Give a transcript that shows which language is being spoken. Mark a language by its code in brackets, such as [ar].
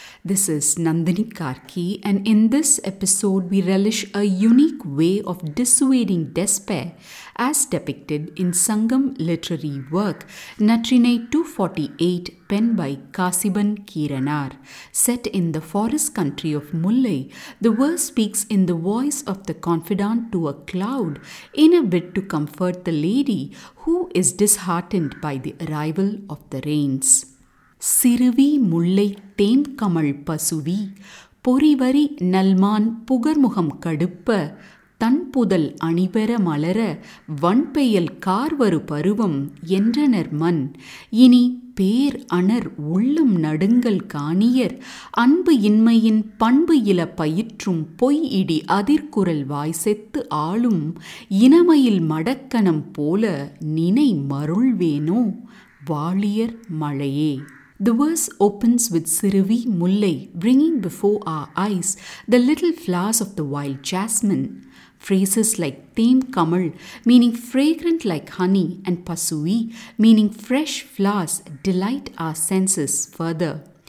[en] This is Nandini Karki, and in this episode we relish a unique way of dissuading despair as depicted in Sangam literary work Natrinai 248, penned by Kaasiban Keeranaar. Set in the forest country of Mullai, the verse speaks in the voice of the confidante to a cloud in a bid to comfort the lady who is disheartened by the arrival of the rains. [ta] சிறுவி முல்லை தேன்கமள் பசுவி பொறிவரி நல்மான் புகர்முகம் கடுப்ப தன்புதல் அணிபெற மலர வன்பெயல் கார்வரு பருவம் என்றனர் மண் இனி பேர் அணர் உள்ளம் நடுங்கள் காணியர் அன்பு இன்மையின் பண்பு இல பயிற்றும் பொய் இடி அதிர்குரல் வாய்செத்து ஆளும் இனமையில் மடக்கணம் போல நினை மருள்வேனோ வாழியர் மழையே. [en] The verse opens with Siruvi Mullai bringing before our eyes the little flowers of the wild jasmine. Phrases like Thaim Kamal, meaning fragrant like honey, and Pasuvi, meaning fresh flowers, delight our senses further.